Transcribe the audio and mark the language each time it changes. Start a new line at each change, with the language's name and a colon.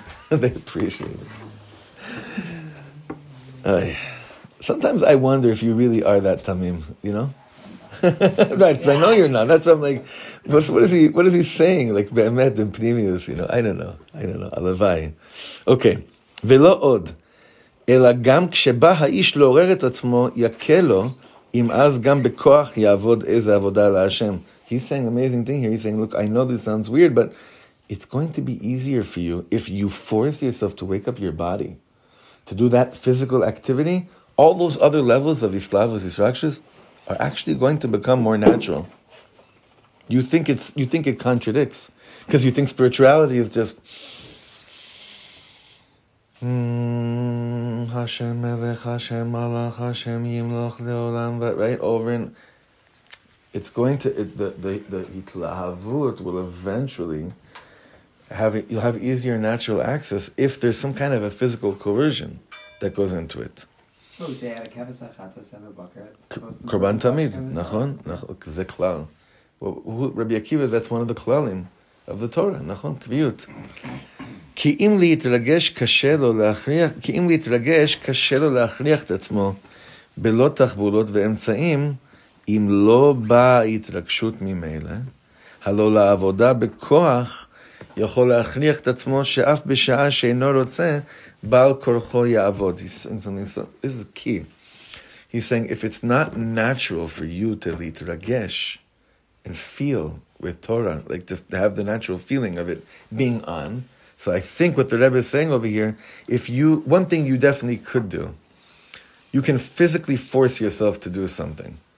English: They appreciate it. Sometimes I wonder if you really are that tamim, you know? Right, yeah. I know you're not. That's what I'm like, what is he saying? Like, be'emet and pnimius, you know? I don't know. Alavai. Okay. Velo od.
Hebrew: אלא גם כשבא האיש לעורר את עצמו, יקל לו, אם אז גם בכוח יעבוד איזה עבודה להשם.
English: He's saying an amazing thing here. He's saying, look, I know this sounds weird, but it's going to be easier for you if you force yourself to wake up your body, to do that physical activity. All those other levels of islavos, israkshas, are actually going to become more natural. You think it contradicts, because you think spirituality is just...
Hebrew: Hashem Melech, Hashem Malach, Hashem Yimloch Leolam,
English: right over in... It's going to... The itlahavut will eventually have... You'll have easier natural access if there's some kind of a physical coercion that goes into it.
Hebrew: Korban Tamid, nachon? Ze klal.
English: Rabbi Akiva, that's one of the klalim of the Torah, nachon?
Hebrew: Kviyut. כי אם להתרגש קשה לו להכריח את עצמו בלא תחבולות ואמצעים, אם לא באה התרגשות ממילא, הלא לעבודה בכוח יכול להכריח את עצמו שאף בשעה שאינו רוצה, בעל כורחו יעבוד.
English: He's saying something, so this is key. He's saying, if it's not natural for you to להתרגש and feel with Torah, like just to have the natural feeling of it being on, so I think what the Rebbe is saying over here, if you, one thing you definitely could do, you can physically force yourself to do something.